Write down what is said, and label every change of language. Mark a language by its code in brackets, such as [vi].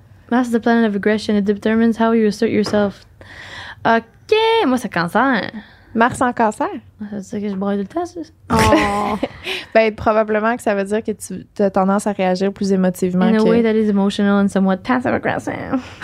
[en] Mars is the planet of aggression. It determines how you assert yourself. [fr] OK! Moi, c'est Cancer. Mars en Cancer? Ça veut dire que je broie tout le temps, ça? Oh! Ben, probablement que ça veut dire que tu as tendance à réagir plus émotivement. [en] In a way that is emotional and somewhat passive aggressive.